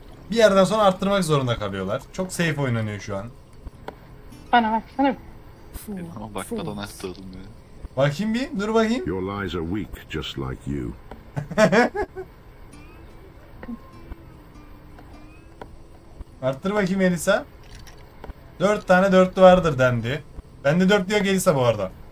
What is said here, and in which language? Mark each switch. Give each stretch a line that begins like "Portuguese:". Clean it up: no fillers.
Turkish: Bir yerden sonra arttırmak zorunda kalıyorlar. Çok safe oynanıyor şu an. Bana bak sana bak. Ama bakmadan arttırdım ya. Bakayım bir dur bakayım.
English: Your lies are weak just like you.
Turkish: Arttır bakayım Elisa. 4 tane 4'lü vardır dendi. Bende 4 diyor gelirse bu arada.